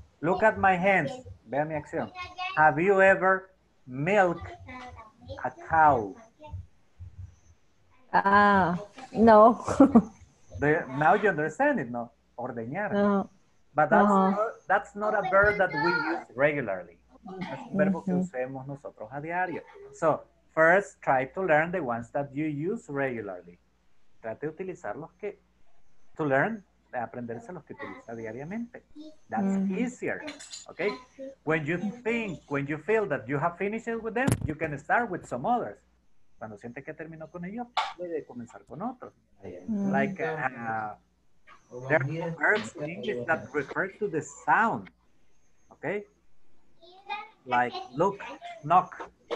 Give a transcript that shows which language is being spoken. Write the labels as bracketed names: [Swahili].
[English] Look at my hands. [Spanish] Vea mi acción. [English] Have you ever milked a cow? No. Now you understand it, no? Ordeñar. No. But that's, that's not a verb that we use regularly. [Spanish] Es un verbo que usemos nosotros a diario. [English] So, first, try to learn the ones that you use regularly. [Spanish] Trate de utilizar los que, [English] to learn, [Spanish] de aprenderse los que utiliza diariamente. [English] That's easier, okay? When you think, when you feel that you have finished with them, you can start with some others. [Spanish] Cuando siente que terminó con ellos, puede comenzar con otros. [English] Like, there are verbs in English that refer to the sound, okay? Like, look, knock.